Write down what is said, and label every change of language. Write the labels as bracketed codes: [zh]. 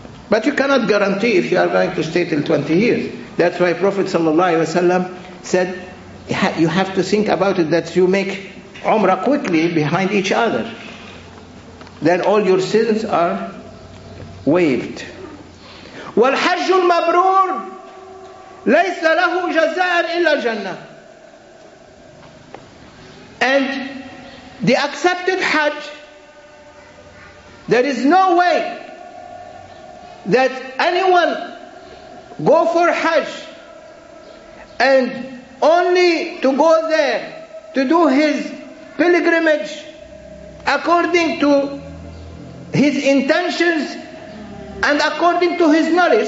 [en] But you cannot guarantee if you are going to stay till 20 years. That's why Prophet sallallahu alaihi wasallam said, you have to think about it, that you make Umrah quickly behind each other. Then all your sins are waived. [ar] والحج المبرور ليس له جزاء إلا الجنة. [en] And the accepted Hajj, there is no way that anyone go for Hajj and only to go there to do his pilgrimage according to his intentions and according to his knowledge.